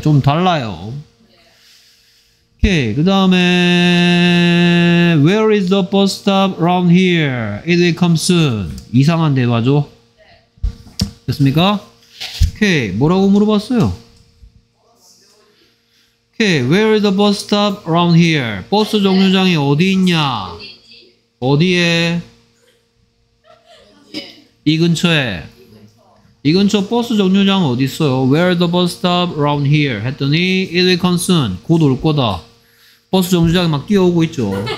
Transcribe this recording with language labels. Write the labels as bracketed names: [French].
[Korean] 좀 달라요. 오케이, 그 다음에 [English] Where is the bus stop around here? It will come soon. [Korean] 이상한 대화죠? 됐습니까? 오케이, 뭐라고 물어봤어요? [English] 오케이, Where is the bus stop around here? [Korean] 버스 정류장이 어디 있냐? 어디에? 이 근처에. 이 근처 버스 정류장 어디 있어요? [English] Where the bus stop around here? [Korean] 했더니 [English] It will come soon. [Korean] 곧 올 거다. 버스 정류장이 막 뛰어오고 있죠.